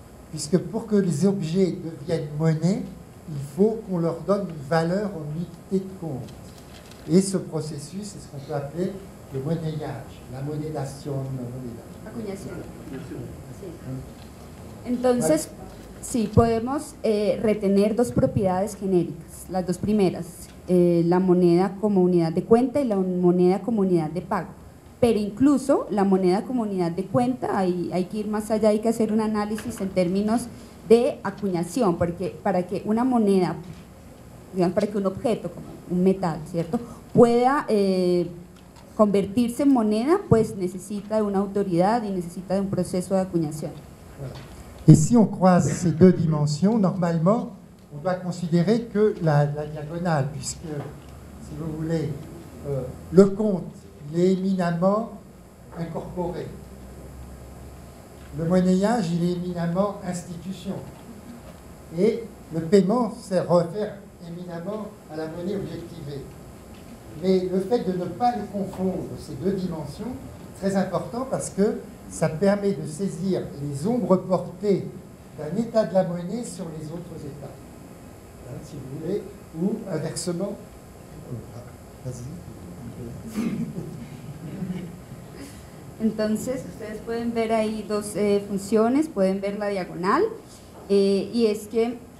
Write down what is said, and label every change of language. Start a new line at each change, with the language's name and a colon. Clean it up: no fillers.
French: Puisque pour que les objets deviennent monnaie, il faut qu'on leur donne une valeur en unité de compte.
Spanish: Y ese proceso es lo que podemos llamar el monedaje, la monedación. Acuñación. Sí. Entonces, sí, podemos retener dos propiedades genéricas, las dos primeras, la moneda como unidad de cuenta y la moneda como unidad de pago. Pero incluso la moneda como unidad de cuenta, hay que ir más allá, hay que hacer un análisis en términos de acuñación, porque para que una moneda, digamos, para que un objeto como un metal, ¿cierto?, pueda convertirse en moneda, pues necesita de una autoridad y necesita de un proceso de acuñación.
French: Y si on croise ces deux dimensions, normalement, on doit considérer que la diagonale, puisque, si vous voulez, le compte, il est éminemment incorporé. Le monnayage, il est éminemment institution. Et le paiement, c'est refaire éminemment à la monnaie objectivée. Mais le fait de ne pas les confondre, ces deux dimensions, très important parce que ça permet de saisir les ombres portées d'un état de la monnaie sur les autres états. Hein, si vous voulez, ou inversement. Vas-y.
Spanish: Entonces, ustedes pueden ver ahí dos funciones, pueden ver la diagonal, y es que.